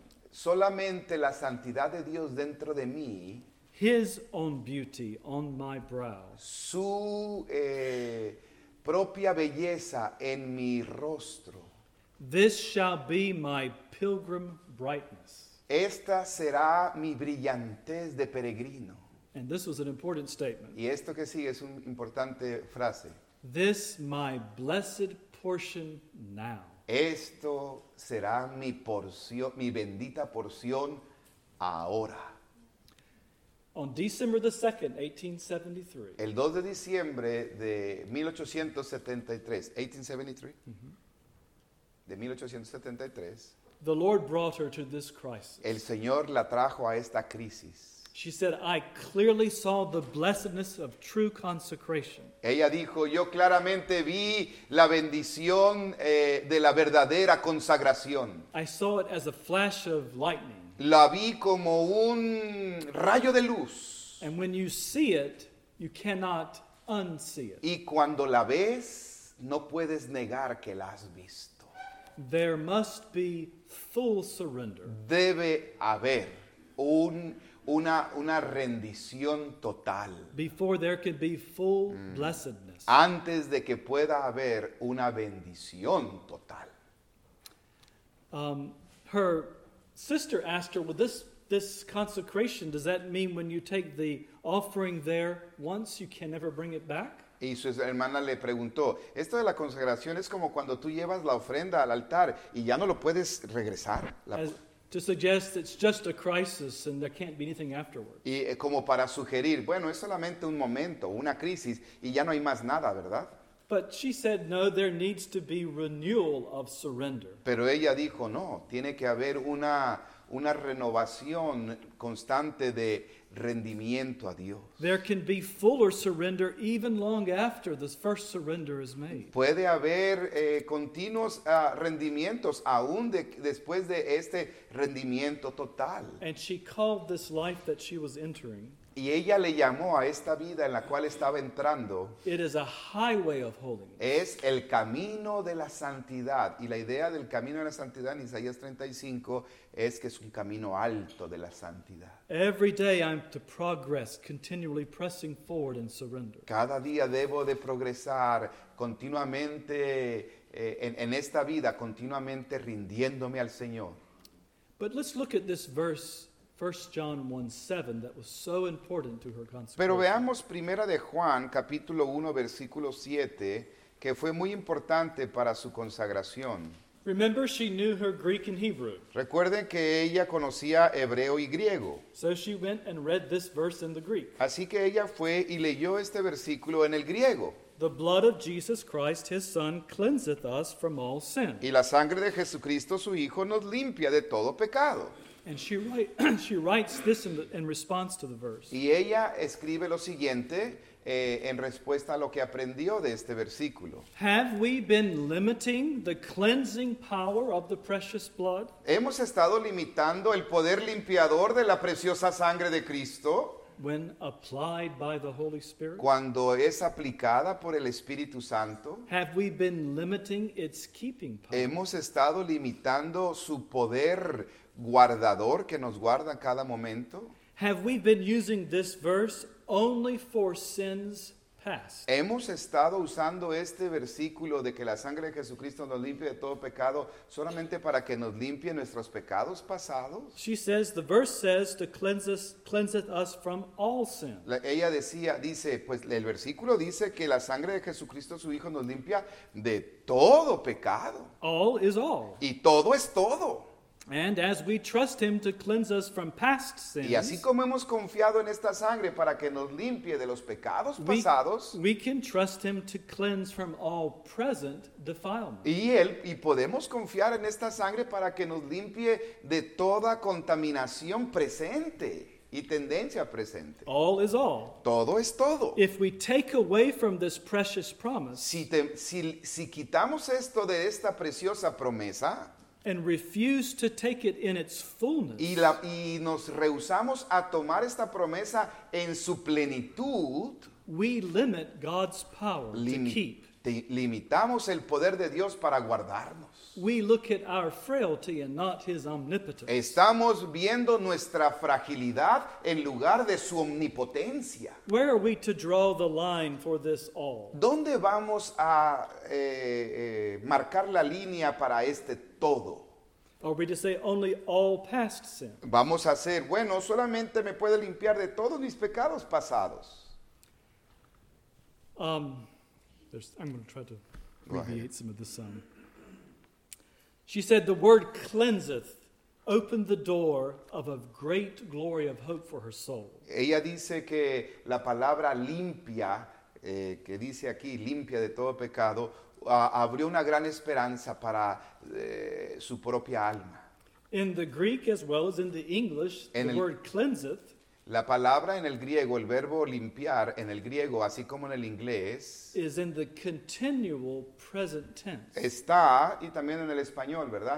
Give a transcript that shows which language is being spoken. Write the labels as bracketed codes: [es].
[es] Solamente la santidad de Dios dentro de mí. [en] His own beauty on my brow. [es] Su propia belleza en mi rostro. [en] This shall be my pilgrim brightness. [es] Esta será mi brillantez de peregrino. [en] And this was an important statement. [es] Y esto que sigue es una importante frase. [en] This my blessed portion now. [es] Esto será mi porción, mi bendita porción ahora. [en] On December the 2nd, 1873. [es] El 2 de diciembre de 1873. 1873. Mm-hmm. De 1873. [en] The Lord brought her to this crisis. [es] El Señor la trajo a esta crisis. [en] She said, I clearly saw the blessedness of true consecration. [es] Ella dijo, yo claramente vi la bendición de la verdadera consagración. [en] I saw it as a flash of lightning. [es] La vi como un rayo de luz. [en] And when you see it, you cannot unsee it. [es] Y cuando la ves, no puedes negar que la has visto. [en] There must be full surrender. [es] Debe haber una rendición total. [en] Before there can be full blessedness. [es] Antes de que pueda haber una bendición total. [en] Her sister asked her, well, this consecration, does that mean when you take the offering there once, you can never bring it back? [es] Y su hermana le preguntó, esto de la consagración es como cuando tú llevas la ofrenda al altar y ya no lo puedes regresar. [en] To suggest it's just a crisis and there can't be anything afterwards. [es] Y como para sugerir, bueno, es solamente un momento, una crisis, y ya no hay más nada, ¿verdad? [en] But she said, no, there needs to be renewal of surrender. [es] Pero ella dijo, no, tiene que haber una renovación constante de rendimiento a Dios. [en] There can be fuller surrender even long after this first surrender is made. [es] Puede haber continuos rendimientos aún después de este rendimiento total. [en] And she called this life that she was entering. [es] Y ella le llamó a esta vida en la cual estaba entrando. [en] It is a highway of holiness. [es] Es el camino de la santidad. Y la idea del camino de la santidad en Isaías 35 es que es un camino alto de la santidad. [en] Every day I'm to progress, continually pressing forward in surrender. [es] Cada día debo de progresar continuamente en esta vida, continuamente rindiéndome al Señor. [en] But let's look at this verse. 1 John 1:7 that was so important to her consecration. [es] Pero veamos Primera de Juan capítulo 1 versículo 7 que fue muy importante para su consagración. [en] Remember she knew her Greek and Hebrew. [es] Recuerden que ella conocía hebreo y griego. [en] So she went and read this verse in the Greek. [es] Así que ella fue y leyó este versículo en el griego. [en] The blood of Jesus Christ, his son, cleanseth us from all sin. [es] Y la sangre de Jesucristo su hijo nos limpia de todo pecado. [en] And she writes this in response to the verse. [es] Y ella escribe lo siguiente en respuesta a lo que aprendió de este versículo. [en] Have we been limiting the cleansing power of the precious blood? [es] ¿Hemos estado limitando el poder limpiador de la preciosa sangre de Cristo? [en] When applied by the Holy Spirit? [es] Cuando es aplicada por el Espíritu Santo? [en] Have we been limiting its keeping power? [es] ¿Hemos estado limitando su poder guardador que nos guarda cada momento? [en] Have we been using this verse only for sins past? [es] ¿Hemos estado usando este versículo de que la sangre de Jesucristo nos limpia de todo pecado solamente para que nos limpie nuestros pecados pasados? [en] She says, the verse says, to cleanseth us from all sin. [es] Ella decía, dice, pues el versículo dice que la sangre de Jesucristo su hijo nos limpia de todo pecado. [en] All is all. [es] Y todo es todo. [en] And as we trust him to cleanse us from past sins, [es] y así como hemos confiado en esta sangre para que nos limpie de los pecados pasados, [en] we can trust him to cleanse from all present defilement. [es] Y podemos confiar en esta sangre para que nos limpie de toda contaminación presente y tendencia presente. [en] All is all. [es] Todo es todo. [en] If we take away from this precious promise, [es] si quitamos esto de esta preciosa promesa, [en] and refuse to take it in its fullness. [es] Y nos rehusamos a tomar esta promesa en su plenitud. [en] We limit God's power to keep. [es] limitamos el poder de Dios para guardarnos. [en] We look at our frailty and not his omnipotence. [es] Estamos viendo nuestra fragilidad en lugar de su omnipotencia. [en] Where are we to draw the line for this all? [es] ¿Dónde vamos a marcar la línea para este todo? [en] Are we to say only all past sin? [es] Vamos a hacer, bueno, solamente me puede limpiar de todos mis pecados pasados. [en] I'm going to try to alleviate some of the sun. She said, the word cleanseth opened the door of a great glory of hope for her soul. [es] Ella dice que la palabra limpia, que dice aquí, limpia de todo pecado, abrió una gran esperanza para su propia alma. [en] In the Greek as well as in the English, the word cleanseth. [es] La palabra en el griego, el verbo limpiar en el griego, así como en el inglés, [en] is in the continual present tense. [es] Está, y también en el español, ¿verdad?